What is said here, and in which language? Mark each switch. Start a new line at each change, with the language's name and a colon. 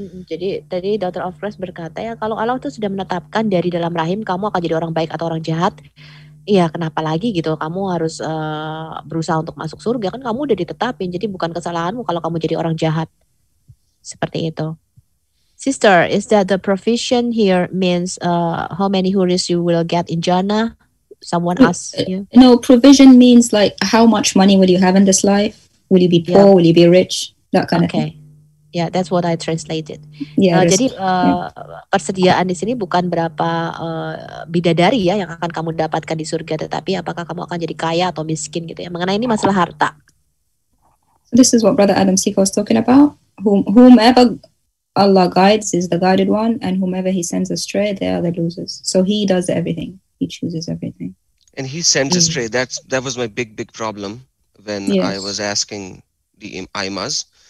Indonesian: Jadi tadi Daughter of Christ berkata ya, kalau Allah itu sudah menetapkan dari dalam rahim kamu akan jadi orang baik atau orang jahat, ya kenapa lagi gitu kamu harus berusaha untuk masuk surga, kan kamu udah ditetapin, jadi bukan kesalahanmu kalau kamu jadi orang jahat. Seperti itu.
English: Sister, is that the provision here means how many huris you will get in Jannah? Someone asked you. No, provision means like how much money will you have in this life? Will you be poor? Yeah. Will you be rich? That kind of thing. Yeah, that's what I translated. Yeah.
Indonesian: Persediaan di sini bukan berapa bidadari ya yang akan kamu dapatkan di surga, tetapi apakah kamu akan jadi kaya atau miskin gitu ya. Mengenai ini masalah harta.
English: This is what Brother Adam Siko was talking about. whomever Allah guides is the guided one, and whomever He sends astray, they are the losers. So He does everything. He chooses everything. And He sent astray. That was my big problem when I was asking the Imams.